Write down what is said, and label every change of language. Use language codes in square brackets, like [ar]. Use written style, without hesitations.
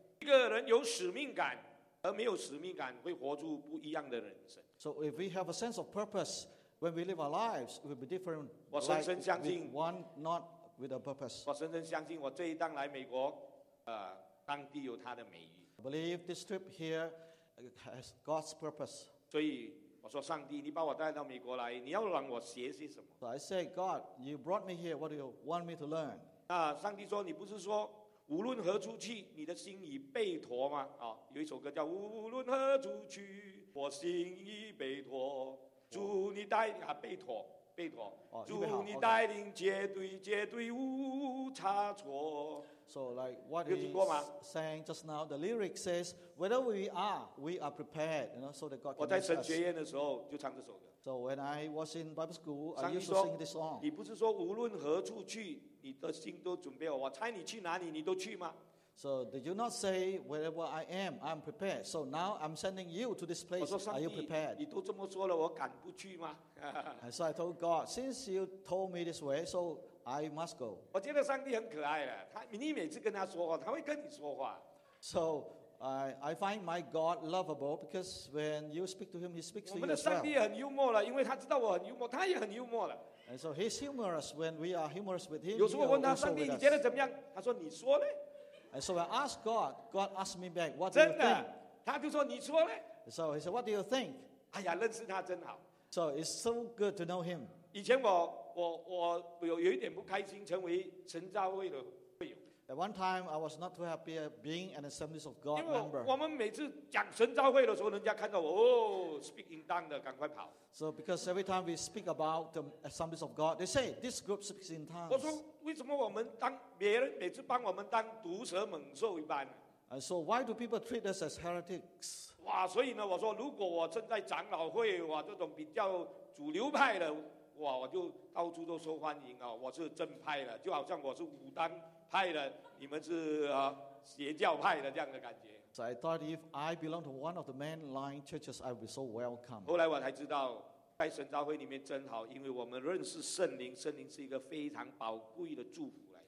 [zh] 一个人有使命感而没有使命感，会活出不一样的人生。 [en] So if we have a sense of purpose when we live our lives, it will be different. [zh] 我深深相信 [en] like one not with a purpose. [zh] 我深深相信我这一趟来美国，上帝有他的美意。 [en] I believe this trip here, has God's purpose. [zh] 所以我说，上帝，你把我带到美国来，你要让我学些什么？ [en] So I say, God, you brought me here. What do you want me to learn? [zh] 那上帝说，你不是说无论何处去，你的心已被托吗？啊，有一首歌叫《无论何处去，我心已被托》。祝你带领啊，被托，被托。祝你带领绝对绝对无差错。 [en] So like what he sang just now, the lyric says, "Whether we are prepared, you know, so that God can." [zh] 我在神学院的时候就唱这首歌。 [en] So when I was in Bible school, I used to sing this song. [zh] 你不是说无论何处去，你的心都准备好？我猜你去哪里，你都去吗？ [en] So did you not say, "Wherever I am, I'm prepared"? So now I'm sending you to this place. [zh] 我说，上帝， [en] are you prepared? [zh] 你都这么说了，我敢不去吗？ [en] And so I told God, since you told me this way, so. I must go. [zh] 我觉得上帝很可爱的，他你每次跟他说话，他会跟你说话。 [en] So I find my God lovable because when you speak to him, he speaks to you as well. [zh] 我们的上帝也很幽默了，因为他知道我很幽默，他也很幽默了。 [en] And so he's humorous when we are humorous with him. [zh] 有时候问他上帝你觉得怎么样，他说你说嘞。 [en] And so I ask God, God asked me back, what do you think? [zh] 他就说你说嘞。 [en] So he said, what do you think? [zh] 哎呀，认识他真好。 [en] So it's so good to know him. [zh] 以前我有一点不开心，成为神召会的会友。 [en] At one time, I was not too happy being an Assemblies of God member. [zh] 我们每次讲神召会的时候，人家看到我，哦 ， [en] speak in tongue [zh] 的，赶快跑。 [en] So because every time we speak about the Assemblies of God, they say this group speaks in tongues. [zh] 我说，为什么我们当别人每次帮我们当毒蛇猛兽一般 [en] ？And so why do people treat us as heretics? [zh] 哇，所以呢，我说，如果我正在长老会，哇，这种比较主流派的。哇！我就到处都受欢迎啊！我是正派的，就好像我是武当派的，你们是啊邪教派的这样的感觉。 [en] So I thought if I belong to one of the mainline churches, I would be so welcome. [zh] 后来我才知道，在神召会里面真好，因为我们认识圣灵，圣灵是一个非常宝贵的祝福来。